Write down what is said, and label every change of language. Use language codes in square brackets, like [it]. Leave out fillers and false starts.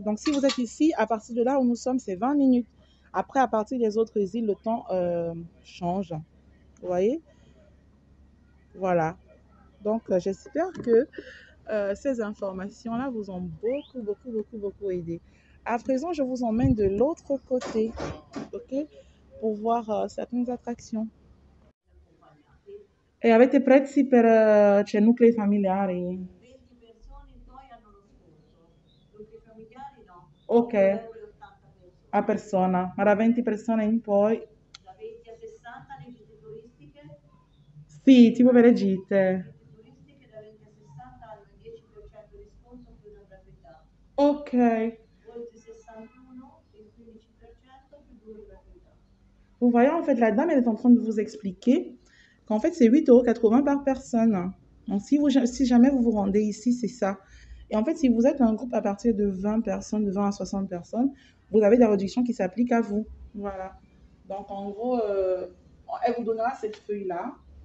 [fr] Donc, si vous êtes ici, à partir de là où nous sommes, c'est 20 minutes. Après, à partir des autres îles, le temps change. Vous voyez? Voilà. Donc, j'espère que ces informations-là vous ont beaucoup, beaucoup, beaucoup, beaucoup aidé. À présent, je vous emmène de l'autre côté, OK? Pour voir certaines attractions. [it] E avete prezzi per cioè, nuclei familiari? 20 persone in noi hanno lo sconto, nuclei familiari no, Ok, €2,80 a persona, ma da 20 persone in poi? da 20 a 60 le gite turistiche, Sì, tipo per le gite. da 20 a 60 hanno il 10% di sconto più una gratuità, Ok. oltre 61 il 15% più due gratuità. [fr] Vous voyez, en fait, la dame est en train de vous expliquer qu'en fait, c'est 8,80 € par personne. Donc, si jamais vous vous rendez ici, c'est ça. Et en fait, si vous êtes un groupe à partir de 20 personnes, de 20 à 60 personnes, vous avez des réductions qui s'appliquent à vous. Voilà. Donc, en gros, elle vous donnera cette feuille-là.